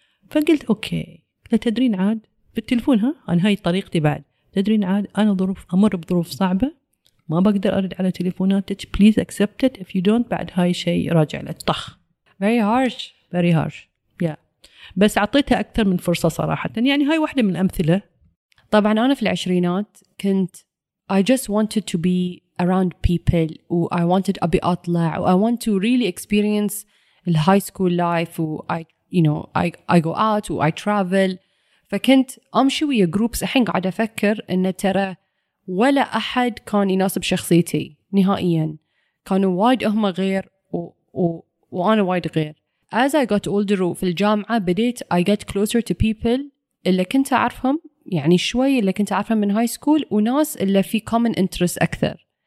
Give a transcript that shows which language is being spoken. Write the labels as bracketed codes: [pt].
[ar] فقلت أوكي، لا تدرين عاد بالتلفون ها، أنا هاي طريقتي بعد، تدرين عاد أنا أمر بظروف صعبة ما بقدر أرد على تليفوناتك، [en] please accept it if you don't، [ar] بعد هاي شيء راجع للطخ. [en] Very harsh yeah. [ar] بس عطيتها أكثر من فرصة صراحة، يعني هاي واحدة من الأمثلة. طبعا أنا في العشرينات كنت [en] I just wanted to be around people و I wanted [ar] أبي أطلع [en] و I want to really experience the high school life و I you know I go out or I travel. [ar] فكنت امشي ويا جروبس. الحين قاعده افكر ان ترى ولا احد كان يناسب شخصيتي نهائيا، كانوا وايد هم غير وانا وايد غير. [en] as I got older [ar] في الجامعة بديت [en] I get closer to people [ar] اللي كنت أعرفهم يعني شوي اللي كنت أعرفهم من هاي سكول وناس اللي في [en] common interest [ar] أكثر